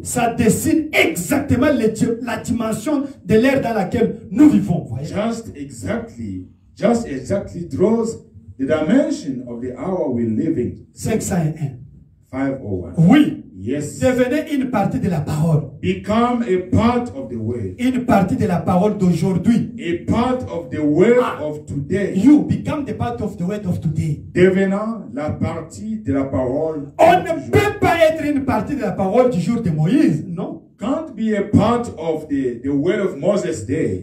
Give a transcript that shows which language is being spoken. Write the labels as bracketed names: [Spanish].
[French] Ça dessine exactement la dimension de l'ère dans laquelle nous vivons. Voyez. [English] Just exactly draws the dimension of the hour we live in. 501. 501. [French] Oui. [English] Yes. [French] Devenez une partie de la parole. [English] Become a part of the word. [French] Une partie de la parole d'aujourd'hui. [English] A part of the word of today. You become the part of the word of today. [French] Devenant la partie de la parole. On ne peut pas être une partie de la parole du jour de Moïse. Non. [English] Can't be a part of the word of Moses day.